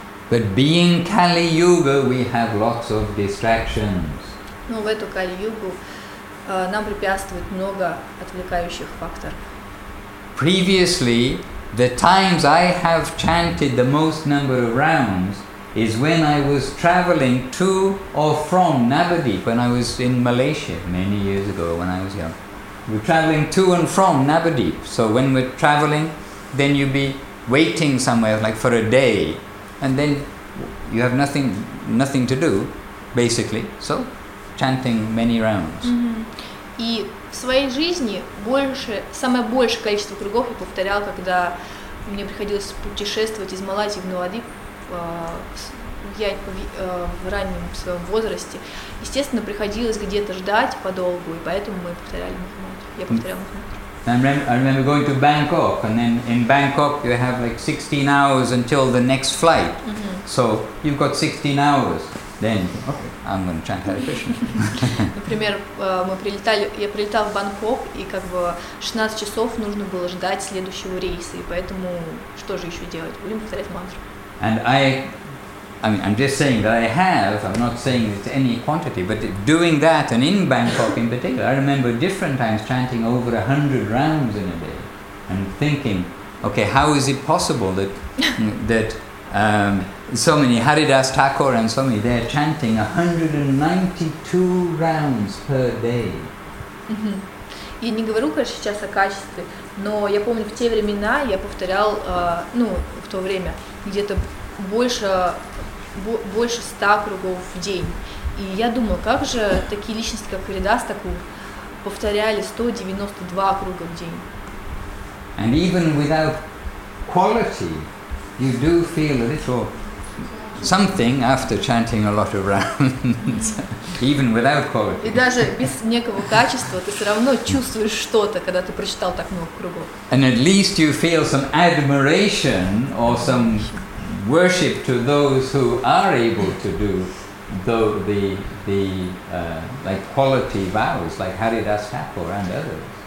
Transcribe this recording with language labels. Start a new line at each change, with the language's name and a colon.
English: But being Kali Yuga, we have lots of distractions.
Russian: Ну, в эту Кали-Югу нам препятствует много отвлекающих факторов.
English: Previously, the times I have chanted the most number of rounds is when I was traveling to or from Navadvip, when I was in Malaysia many years ago when I was young. We were traveling to and from Navadvip. So when we're traveling, then you'd be waiting somewhere like for a day. And then you have nothing to do, basically. So, chanting many rounds. Mm-hmm.
Russian: И в своей жизни самое большее количество кругов я повторял, когда мне приходилось путешествовать из Малайзии в Навадвип в раннем своем возрасте. Естественно, приходилось где-то ждать подолгу, и поэтому мы повторяли Махамантру. Я повторяла Махамантру.
English: I remember going to Bangkok, and then in Bangkok you have like 16 hours until the next flight. Mm-hmm. So you've got 16 hours. Then okay, I'm going to chant Hare Krishna.
Russian: Например, я прилетал в Бангкок, и как бы 16 часов нужно было ждать следующего рейса, и поэтому что же еще делать? Будем повторять мантру.
English: And I'm just saying that I have. I'm not saying it's any quantity, but doing that, and in Bangkok in particular, I remember different times chanting over 100 rounds in a day, and thinking, okay, how is it possible that so many Haridas Thakur and so many, they're chanting 192 rounds per day.
Russian: Я не говорю, конечно, сейчас о качестве, но я помню в те времена я повторял, ну в то время где-то больше 100 кругов в день. И я думаю, как же такие личности, как Харидас Такур, повторяли 192 круга в день.
English: And even without quality, you do feel a little something after chanting a lot of rounds. Even without quality.
Russian: И даже без некого качества ты все равно чувствуешь что-то, когда ты прочитал так много кругов.
English: And at least you feel some admiration or some worship to those who are able to do the quality vows, like Haridas Thakur and others.